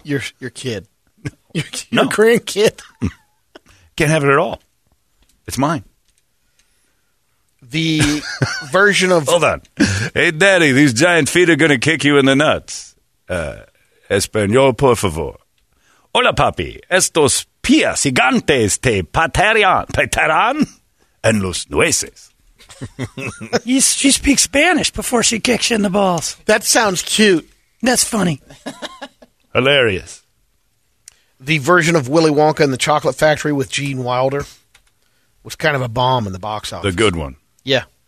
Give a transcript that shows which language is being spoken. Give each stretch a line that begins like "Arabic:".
English: your kid, your grandkid. Can't have it at all. It's mine. The version of... Hold on. Hey, Daddy, these giant feet are going to kick you in the nuts.
Spanish: Español, por favor. Hola, papi. Estos pies gigantes te patarán en los nueces.
English: She speaks Spanish before she kicks you in the balls. That sounds cute. That's funny. Hilarious. The version of Willy Wonka and the Chocolate Factory with Gene Wilder was kind of a bomb in the box office. The good one. Yeah.